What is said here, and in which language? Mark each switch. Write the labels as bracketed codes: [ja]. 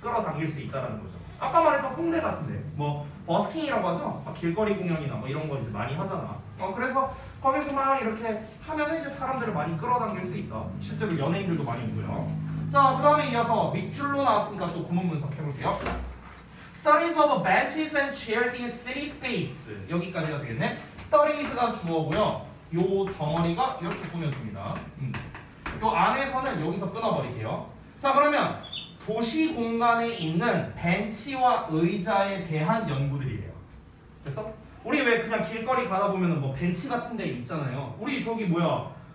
[ko] 끌어당길 수 있다는 거죠. 아까 말했던 홍대 같은데. 뭐, 버스킹이라고 하죠? 막 길거리 공연이나 뭐 이런 거 이제 많이 하잖아. 그래서 거기서 막 이렇게 하면 이제 사람들을 많이 끌어당길 수 있다. 실제로 연예인들도 많이 있고요. 자, 그 다음에 이어서 밑줄로 나왔으니까 또 구문 분석해볼게요. [en] Studies of benches and chairs in city space. [ko] 여기까지가 되겠네. Studies가 주어고요. 요 덩어리가 이렇게 꾸며줍니다. 요 안에서는 여기서 끊어버릴게요. 자, 그러면 도시 공간에 있는 벤치와 의자에 대한 연구들이에요. 됐어? 우리 왜 그냥 길거리 가다 보면 뭐 벤치 같은 데 있잖아요. 우리 저기 뭐야?